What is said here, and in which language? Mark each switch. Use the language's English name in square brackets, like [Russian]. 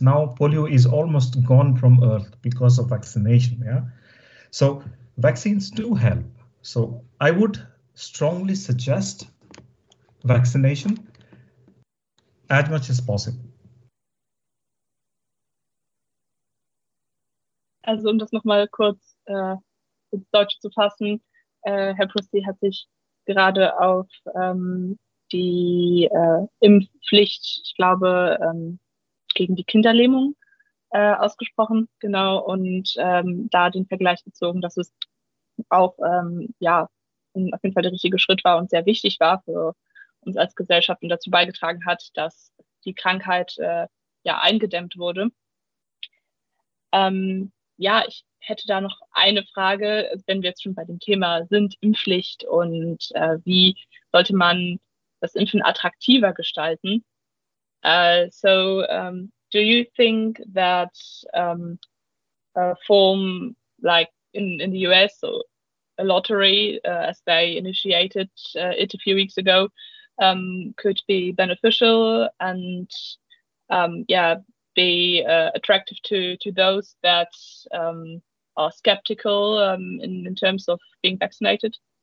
[English] Now polio is almost gone from Earth because of vaccination, yeah? So vaccines do help. So I would strongly suggest vaccination as much as possible. [German] Also um das nochmal kurz ins Deutsche zu fassen, Herr Pussy hat sich gerade auf die Impfpflicht, ich glaube, gegen die Kinderlähmung ausgesprochen, genau, und da den Vergleich gezogen, dass es auch ja auf jeden Fall der richtige Schritt war und sehr wichtig war für uns als Gesellschaft und dazu beigetragen hat, dass die Krankheit ja eingedämmt wurde. Ja, ich hätte da noch eine Frage, wenn wir jetzt schon bei dem Thema sind, Impfpflicht und wie sollte man das Impfen attraktiver gestalten? [English] Do you think that a form like in the US, so a lottery as they initiated it a few weeks ago, could be beneficial and attractive to those that are skeptical in terms of being vaccinated?